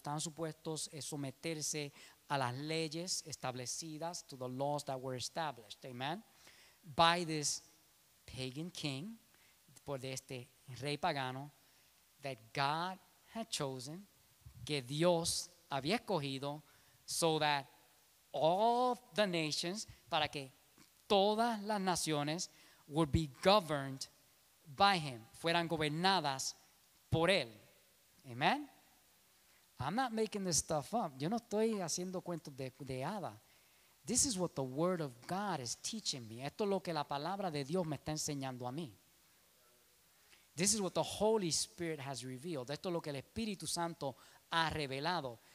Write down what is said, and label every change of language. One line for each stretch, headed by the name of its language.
Spanish: Estaban supuestos someterse a las leyes establecidas,
English: to the laws that were established,
Spanish: amen,
English: by this pagan king,
Spanish: por este rey pagano,
English: that God had chosen,
Spanish: que Dios había escogido,
English: so that all the nations,
Spanish: para que todas las naciones
English: would be governed by him,
Spanish: fueran gobernadas por él. Amen.
English: I'm not making this stuff up.
Spanish: Yo no estoy haciendo cuentos de hada.
English: This is what the word of God is teaching me.
Spanish: Esto es lo que la palabra de Dios me está enseñando a mí.
English: This is what the Holy Spirit has revealed.
Spanish: Esto es lo que el Espíritu Santo ha revelado.